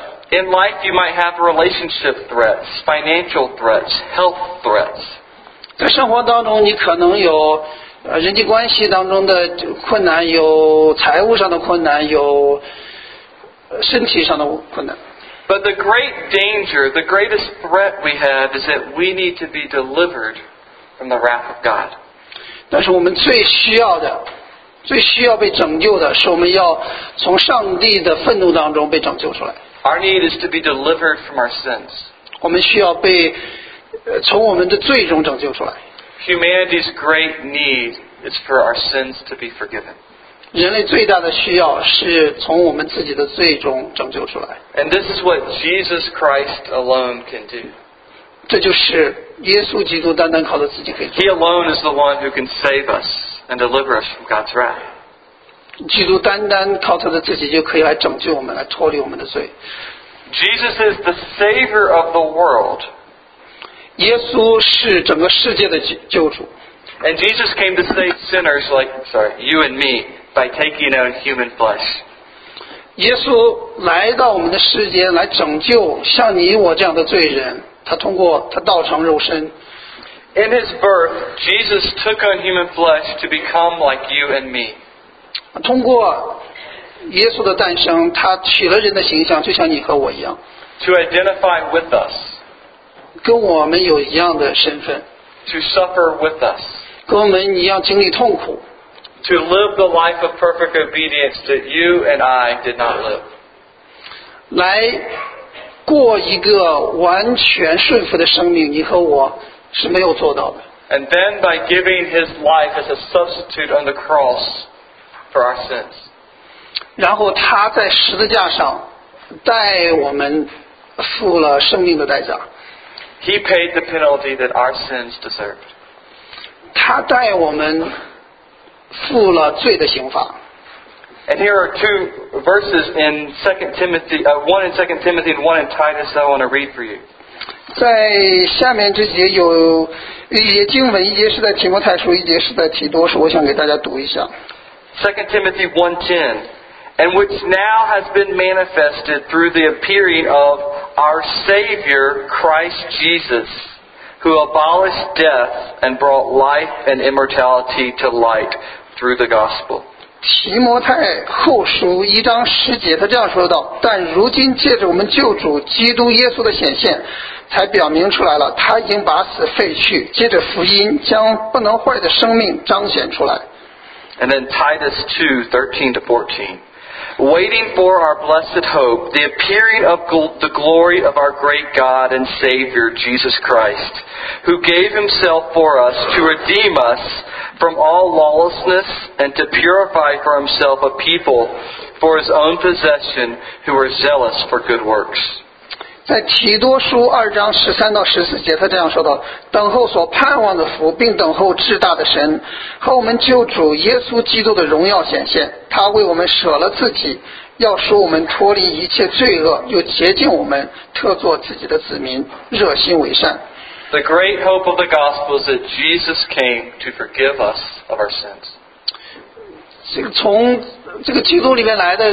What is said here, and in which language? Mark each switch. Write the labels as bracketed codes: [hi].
[en] In life, you might have relationship threats, financial threats, health threats. [zh] 在生活当中，你可能有人际关系当中的困难，有财务上的困难，有身体上的困难。 [en] But the great danger, the greatest threat we have, is that we need to be delivered. From the wrath of God. [zh] 但是我们最需要的，最需要被拯救的，是我们要从上帝的愤怒当中被拯救出来。 [en] Our need is to be delivered from our sins. [zh] 我们需要被从我们的罪中拯救出来。 [en] Humanity's great need is for our sins to be forgiven. [zh] 人类最大的需要是从我们自己的罪中拯救出来。 [en] And this is what Jesus Christ alone can do. [zh] 这就是耶稣基督单单靠着自己可以做的。 [en] He alone is the one who can save us and deliver us from God's wrath. [zh] 基督单单靠着自己就可以来拯救我们，来脱离我们的罪。 [en] Jesus is the savior of the world. [zh] 耶稣是整个世界的救主。 [en] And Jesus came to save sinners like, sorry, you and me, by taking on human flesh. [zh] 耶稣来到我们的世间来拯救像你我这样的罪人，他通过他道成肉身。 [en] In his birth, Jesus took on human flesh to become like you and me. [zh] 通过耶稣的诞生，他取了人的形象，就像你和我一样。 [en] To identify with us. [zh] 跟我们有一样的身份。 [en] To suffer with us. [zh] 跟我们一样经历痛苦。 [en] To live the life of perfect obedience that you and I did not live. [zh] 来过一个完全顺服的生命，你和我是没有做到的。 [en] And then by giving his life as a substitute on the cross for our sins. [zh] 然后他在十字架上代我们付了生命的代价。 [en] He paid the penalty that our sins deserved. [zh] 他代我们付了罪的刑罚。 [en] And here are two verses in 2 Timothy, one in 2 Timothy and one in Titus that I want to read for you. [zh] 在下面这节有一节经文，一节是在提摩太书，一节是在提多书，我想给大家读一下。 [en] 2 Timothy 1:10, and which now has been manifested through the appearing of our Savior Christ Jesus, who abolished death and brought life and immortality to light through the gospel. [zh] 提摩太后书一章十节，他这样说道：但如今借着我们救主基督耶稣的显现，才表明出来了，他已经把死废去，借着福音将不能坏的生命彰显出来。 [en] And then Titus 2:13-14, waiting for our blessed hope, the appearing of the glory of our great God and Savior Jesus Christ, who gave himself for us to redeem us from all lawlessness and to purify for himself a people for his own possession who are zealous for good works. [zh] 在提多书二章十三到十四节，他这样说道：等候所盼望的福，并等候至大的神和我们救主耶稣基督的荣耀显现，他为我们舍了自己，要使我们脱离一切罪恶，又洁净我们，特作自己的子民，热心为善。 [en] The great hope of the gospel is that Jesus came to forgive us of our sins. [zh] 这个从这个基督里面来的